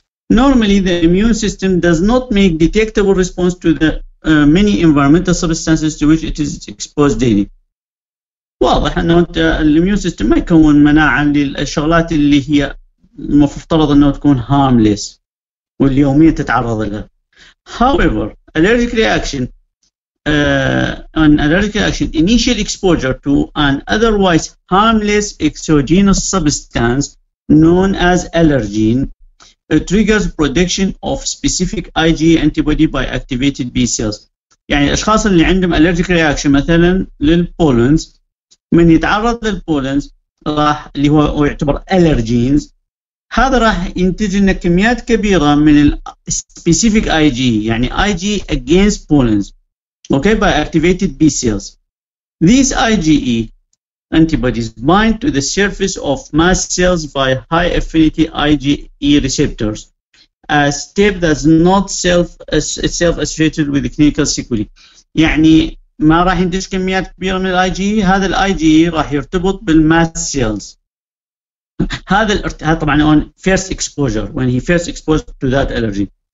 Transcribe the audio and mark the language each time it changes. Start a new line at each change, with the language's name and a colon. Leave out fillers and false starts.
English: Normally the immune system does not make detectable response to the many environmental substances to which it is exposed daily.
Arabic: واضح أنه أنت ال immune system ما يكون مناعة للشغلات اللي هي مفترض أنه تكون harmless واليومية تتعرض لها.
English: However, allergic reaction an allergic reaction initial exposure to an otherwise harmless exogenous substance known as allergen triggers production of specific IgE antibody by activated B cells.
Arabic: يعني الأشخاص اللي عندهم allergic reaction مثلا للبولنز، من يتعرض للبولنز راح اللي هو يعتبر allergens، هذا راح ينتج لنا كميات كبيره من الـ specific IG يعني
English: IG against pollens okay by activated B cells. These IgE antibodies bind to the surface of mast cells via high affinity IgE receptors, a step that's not itself associated with the clinical sequelae.
Arabic: يعني ما راح ينتج كميات كبيره من الـ IgE، هذا الـ IgE راح يرتبط بالmast cells. هذا طبعا
English: on first exposure when he first exposed to that allergy.